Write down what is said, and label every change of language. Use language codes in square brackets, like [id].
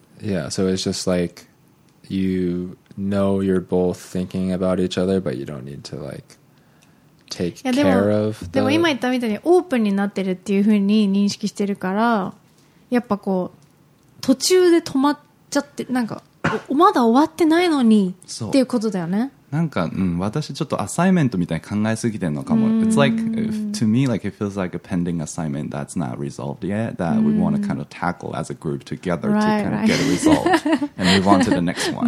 [en] Yeah, so it's just like you know you're both thinking about each other but you don't need to like take care of the... [ja] でも今言ったみたいにオープンになってるっていう風に認識してるから、やっぱこう途中で止まっちゃって、なんかまだ終わってないのにっていうことだよね。なんか、うん、私ちょっとアサイメントみたいに考えすぎてるのかも。 [en] It's like, if, to me, like, it feels like a pending assignment that's not resolved yet, that we want to kind of tackle as a group together right, to kind of get a result and move on to the next one.